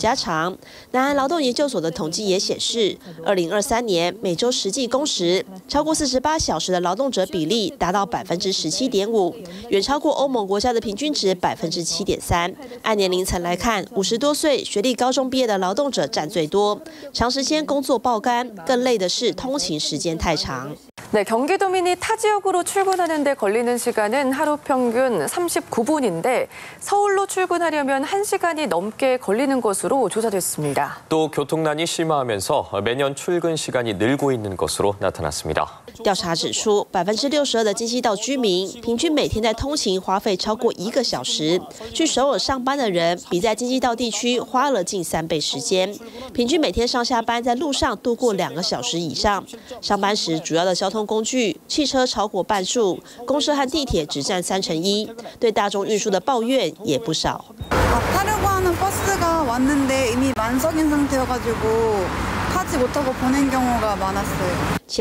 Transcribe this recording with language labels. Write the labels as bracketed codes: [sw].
[zh] 南韩开发研究院分析，因为南韩可以选择工作时间的幅度有限，所以工作时间比其他国家长。南韩劳动研究所的统计也显示， 2023年每周实际工时超过48小时的劳动者比例达到 17.5%， 远超过欧盟国家的平均值 7.3%。按年龄层来看， 50多岁学历高中毕业的劳动者占最多，长时间工作爆肝，更累的是通勤时间太长。 [ko] 네, 경기도민이 타지역으로 출근하는데 걸리는 시간은 하루 평균 39분인데 서울로 출근하려면 1시간이 넘게 걸리는 것으로 조사됐습니다. 또 교통난이 심화하면서 매년 출근 시간이 늘고 있는 것으로 나타났습니다. [zh] 调查指出， 62%的京畿道居民平均每天在通勤花费超过1个小时， 去首尔上班的人比在京畿道地区花了近3倍时间， 平均每天上下班在路上度过2个小时以上， 上班时主要的交通工具汽车超过半数， 公车和地铁只占3成1%， 对大众运输的抱怨也不少。 [ko] 타려고 하는 버스가 왔는데 이미 만석인 상태여가지고 타지 못하고 보낸 경우가 많았어요.